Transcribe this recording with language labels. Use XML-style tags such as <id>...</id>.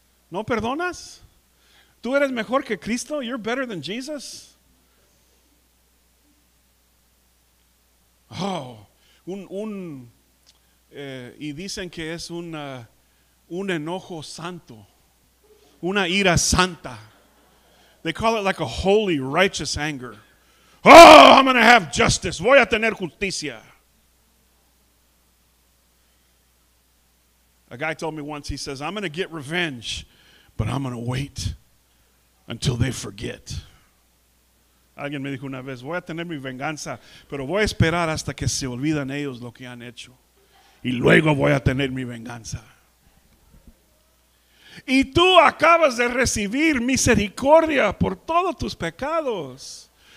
<es>¿No perdonas? ¿Tú eres mejor que Cristo?</es> <en>You're better than Jesus.</en> <es>Oh, y dicen que es un enojo santo, una ira santa.</es> <en>They call it like a holy, righteous anger. Oh, I'm going to have justice.</en> <es>Voy a tener justicia.</es> <en>A guy told me once, he says, I'm going to get revenge, but I'm going to wait until they forget.</en> <es>Alguien me dijo una vez, voy a tener mi venganza, pero voy a esperar hasta que se olvidan ellos lo que han hecho. Y luego voy a tener mi venganza. Y tú acabas de recibir misericordia por todos tus pecados.</es>